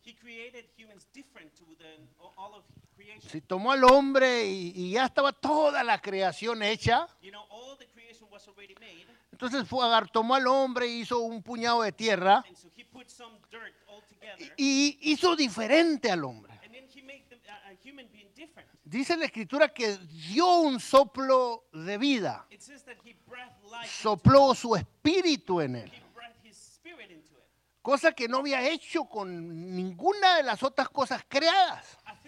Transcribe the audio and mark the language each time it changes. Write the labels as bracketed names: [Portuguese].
[English] He created humans different to the, all of [Spanish] si tomó al hombre y ya estaba toda la creación hecha, [English] you know, all the creation was already made, [Spanish] entonces fue a, tomó al hombre y hizo un puñado de tierra [English] and so he put some dirt all together, [Spanish] y hizo diferente al hombre. [English] And then he made them, a human being different. [Spanish] Dice la escritura que dio un soplo de vida, [English] it says that he breathed life, [Spanish] sopló su espíritu en él. [English] He breathed his spirit into it. [Spanish] Cosa que no había hecho con ninguna de las otras cosas creadas.